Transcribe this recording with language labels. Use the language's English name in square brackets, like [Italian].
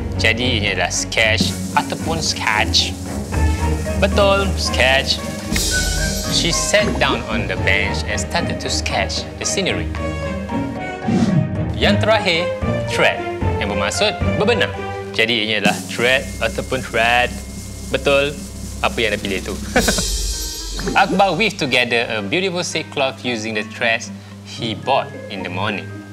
[Malay] Jadi, ini adalah sketch ataupun sketch. Betul, sketch. [English] She sat down on the bench and started to sketch the scenery. [Malay] Yang terakhir, thread yang bermaksud berbenang. Jadi, ini adalah thread ataupun thread. Betul, apa yang anda pilih itu. [English] Akbar weave together a beautiful silk cloth using the threads he bought in the morning.